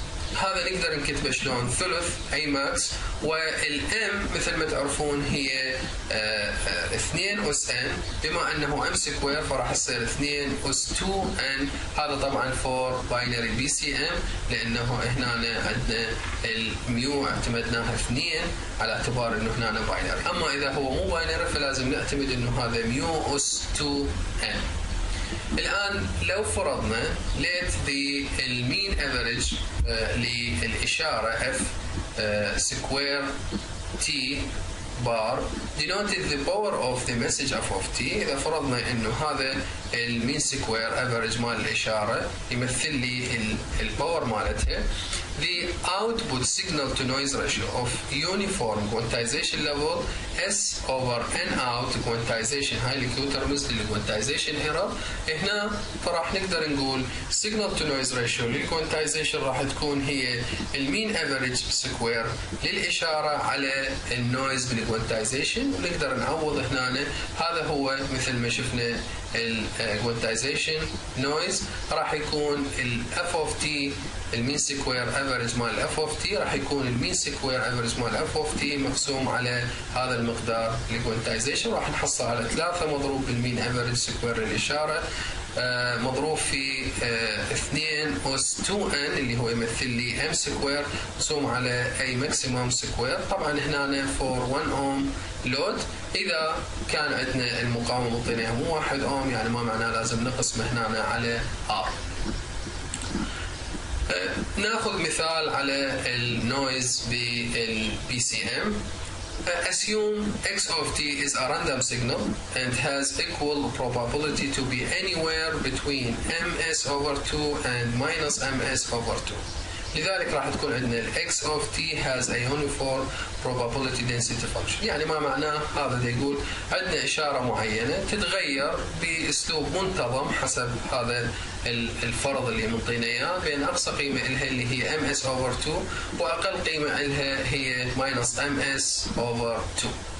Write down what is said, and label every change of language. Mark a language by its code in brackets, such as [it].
[ar] هذا نقدر نكتبه شلون؟ ثلث A max، والM مثل ما تعرفون هي 2 أس N، بما أنه M square فراح يصير 2 أس 2N. هذا طبعا [en] for binary BCM، [ar] لأنه هنا عندنا الميو اعتمدناها 2 على اعتبار أنه هنا binary. أما إذا هو مو binary فلازم نعتمد أنه هذا ميو أس 2N. الآن لو فرضنا [en] let the mean average [ar] للإشارة [en] f square t bar denoted the power of the message f of t. [ar] إذا فرضنا إنه هذا ال mean square average مال الإشارة يمثل لي ال power مالتها. [en] The output signal to noise ratio of uniform quantization level S over N out quantization. [ar] هاي اللي ترمز للquantization error. هنا فراح نقدر نقول [en] signal to noise ratio [ar] للquantization راح تكون هي المين average square للإشارة على النويز بالquantization. ونقدر نعوض هنا هذا هو مثل ما شفنا الquantization noise راح يكون ال F of T المين سكوير افريج مال اف اوف تي، راح يكون المين سكوير افريج مال اف اوف تي مقسوم على هذا المقدار الكوانتايزيشن، راح نحصل على 3 مضروب بالمين افريج سكوير للاشاره مضروب في 2 اس 2 ان اللي هو يمثل لي ام سكوير مقسوم على اي ماكسيموم سكوير. طبعا هنا فور 1 اوم لود، اذا كان عندنا المقاومه المطينه مو 1 اوم يعني ما معناه لازم نقسمه هنا على ار. ناخذ مثال على النويز بالبي سي ام. [en] Assume x of t is a random signal and has equal probability to be anywhere between ms over 2 and minus ms over 2. [ar] لذلك راح تكون عندنا [en] x of t has a uniform probability density function. [ar] يعني ما معناه هذا دي يقول عندنا إشارة معينة تتغير بأسلوب منتظم حسب هذا الفرض اللي منطينا إياه بين أقصى قيمة إلها اللي هي [en] ms over 2 [ar] وأقل قيمة إلها هي [en] minus ms over 2.